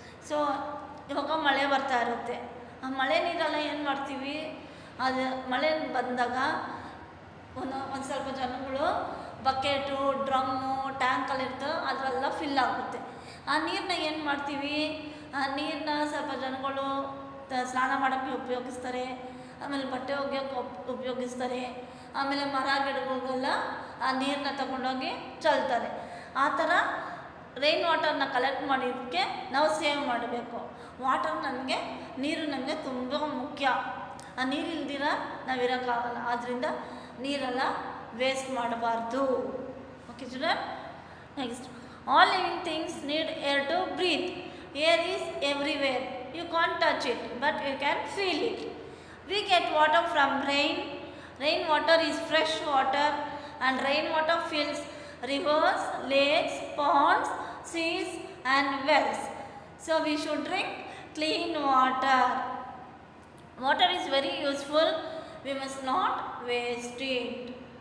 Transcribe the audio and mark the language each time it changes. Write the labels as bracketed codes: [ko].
[kn] So ivaga male bartha irutte aa male neeralla en martivi adu male bandaga ona salpa janagalu bucket drum tank alli irutha adralla fill aagutte aa neerna en martivi aa neerna salpa janagalu ಸ್ನಾನ ಮಾಡೋಕ್ಕೆ ಉಪಯೋಗಿಸ್ತಾರೆ, ಆಮೇಲೆ ಬಟ್ಟೆ ಒಗೆಯೋಕ್ಕೆ ಉಪಯೋಗಿಸ್ತಾರೆ, ಆಮೇಲೆ ಮರ ಗಿಡಗಳಿಗೆಲ್ಲ ಆ ನೀರನ್ನ ತಗೊಂಡೋಗಿ ಚೆಲ್ತಾರೆ. ಆ ಥರ ರೈನ್ ವಾಟರ್ನ ಕಲೆಕ್ಟ್ ಮಾಡಿದ್ದಕ್ಕೆ ನಾವು ಸೇವ್ ಮಾಡಬೇಕು. ವಾಟರ್ ನಮಗೆ, ನೀರು ನಮಗೆ ತುಂಬ ಮುಖ್ಯ. ಆ ನೀರಿಲ್ದಿರ ನಾವು ಇರೋಕ್ಕಾಗಲ್ಲ, ಆದ್ದರಿಂದ ನೀರೆಲ್ಲ ವೇಸ್ಟ್ ಮಾಡಬಾರ್ದು. [en] Okay children, next, all living things need air to breathe. Air is everywhere, you can't touch it but you can feel it. We get water from rain. Rain water is fresh water, and rain water fills rivers, lakes, ponds, seas and wells. So we should drink clean water. Water is very useful, we must not waste it.